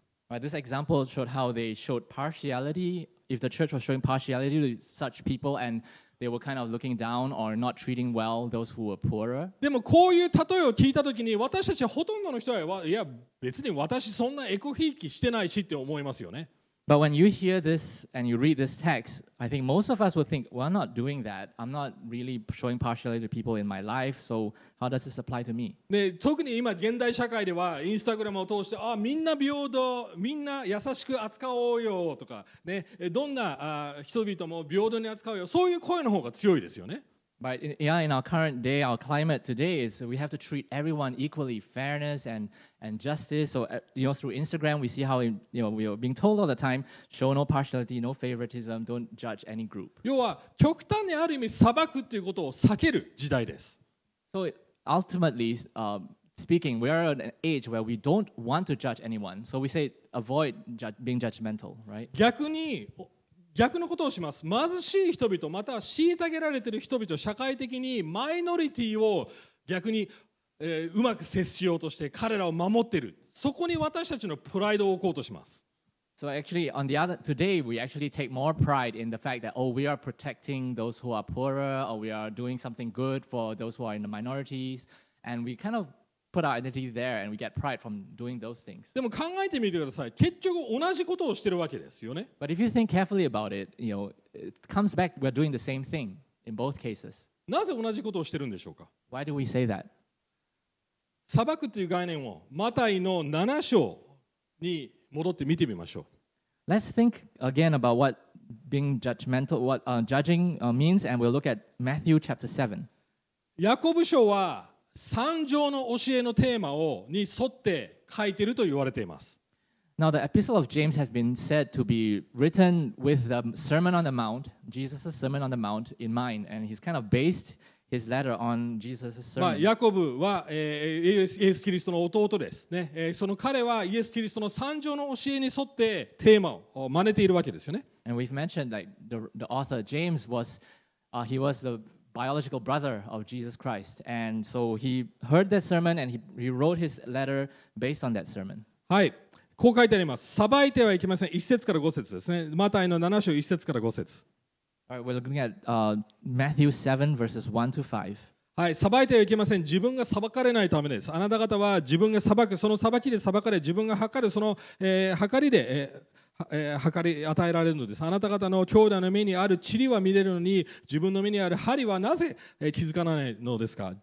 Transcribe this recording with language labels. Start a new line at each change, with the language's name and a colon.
English: Right, this example showed how they showed partiality, if the church was showing partiality to such people and they were kind of looking down or not treating well those who were poorer.
Japanese: でもこういう例えを聞いたときに、私たちほとんどの人は、いや、別に私そんなエコひいきしてないしって思いますよね。
English: But when you hear this and you read this text, I think most of us would think, well, I'm not doing that. I'm not really showing partiality to people in my life. So how does this apply to me?
Japanese: で、特に今現代社会では、Instagram を通して、あ、みんな平等、みんな優しく扱おうよとか、ね、どんな人々も平等に扱おうよ。そういう声の方が強いですよね。
English: But in our current day, our climate today is we have to treat everyone equally, fairness and justice. So you know, through Instagram, we see how we are being told all the time, show no partiality, no favoritism, don't judge any group.
Japanese: 要は極端にある意味裁くということを避ける時代です。
English: So ultimately, speaking, we are at an age where we don't want to judge anyone. So we say avoid being judgmental, right?
Japanese: 逆のことをします。貧しい人々、または虐げられている人々、社会的にマイノリティを逆に、うまく接しようとして彼らを守っている。そこに私たちのプライドを置こうとします。
English: So actually, on the other, today we actually take more pride in the fact that, oh, we are protecting those who are poorer, or we are doing something good for those who are in the minorities, and we kind of put our identity there and we get pride from doing those things.
Japanese: でも考えてみてください。結局同じことをしてるわけですよね。
English: But if you think carefully about it, you know, it comes back, we're doing the same thing in both cases.
Japanese: なぜ同じことをしてるんでしょうか?
English: Why do we say that?
Japanese: 裁くという概念をマタイの7章に戻って見てみましょう。
English: Let's think again about what being judgmental, what judging means, and we'll look at Matthew chapter 7.
Japanese: ヤコブ書は三条の教えのテーマをに沿って書いていると言われています。
English: Now the epistle of James has been said to be written with the Sermon on the Mount, Jesus' Sermon on the Mount in mind, and he's kind of based his letter on Jesus' Sermon.
Japanese: まあ、ヤコブは、イエス・キリストの弟ですね。その彼はイエス・キリストの三条の教えに沿ってテーマを真似ているわけですよね。
English: And we've mentioned like the author James was, he was the biological brother of Jesus Christ, and so he heard that sermon and he wrote his letter based on that sermon.
Japanese: はい。こう書いてあります。裁いてはいけません。一節から五節ですね。マタイの七章一節から五節。
English: Alright, we're looking at Matthew 7 verses 1 to 5.
Japanese: はい、裁いてはいけません。自分が裁かれないためです。あなた方は自分が裁く、その裁きで裁かれ、自分が測る、その、測りで、測り与えられるのです。あなた方の兄弟の目にある塵は見れるのに、自分の目にある針はなぜ、気づかないのですか。